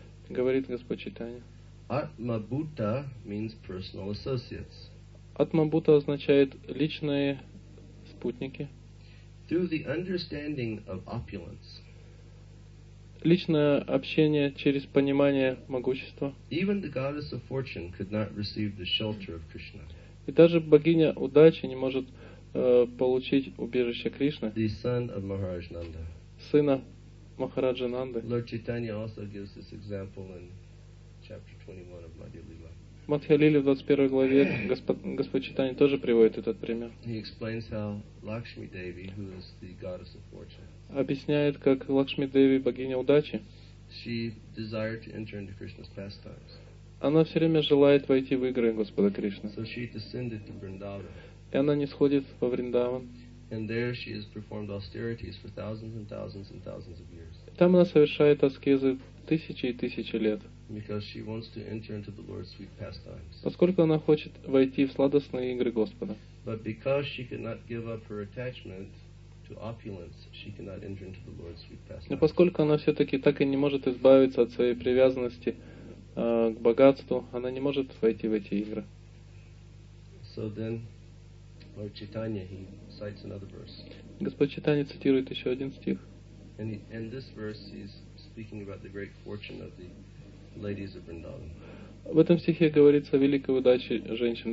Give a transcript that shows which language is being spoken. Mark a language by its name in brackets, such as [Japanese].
[Russian] Говорит Господь Чайтанья. [English] Atma-bhuta means personal associates. [Russian] Atma-bhuta означает личные спутники. [English] Through the understanding of opulence. [Russian] Личное общение через понимание могущества. [English] Even the goddess of fortune could not receive the shelter of Krishna. [Russian] И даже богиня удачи не может получить убежище Кришны. [English] The son of Maharaj Nanda. [Russian] Сына Махараджа Нанды. [English] Lord Chaitanya also gives this example in chapter 21 of Madhya Lila. [Russian] В Мадхья-лиле, в 21 главе, Господь Чайтанья тоже приводит этот пример. [English] He explains how Lakshmi Devi, who is the goddess of fortune, [Russian] объясняет, как Лакшми Деви, богиня удачи, [English] she desired to enter into Krishna's pastimes. [Russian] Она все время желает войти в игры Господа Кришны. [English] So she descended to Vrindavan. [Russian] И она нисходит во Вриндаван. [English] And there she has performed austerities for thousands and thousands and thousands of years. [Russian] Там она совершает аскезы тысячи и тысячи лет. [English] Because she wants to enter into the Lord's sweet pastimes. [Russian] Поскольку она хочет войти в сладостные игры Господа. [English] But because she cannot give up her attachment to opulence, she cannot enter into the Lord's sweet pastimes. [Russian] Но поскольку она все-таки так и не может избавиться от своей привязанности к богатству, она не может войти в эти игры. [English] So then, Lord Chaitanya, he cites another verse. [Russian] Господь Чайтанья цитирует еще один стих. [English] And this verse he's speaking about the great fortune of the ladies of Vrindavan. [Russian] В этом стихе говорится о великой удаче женщин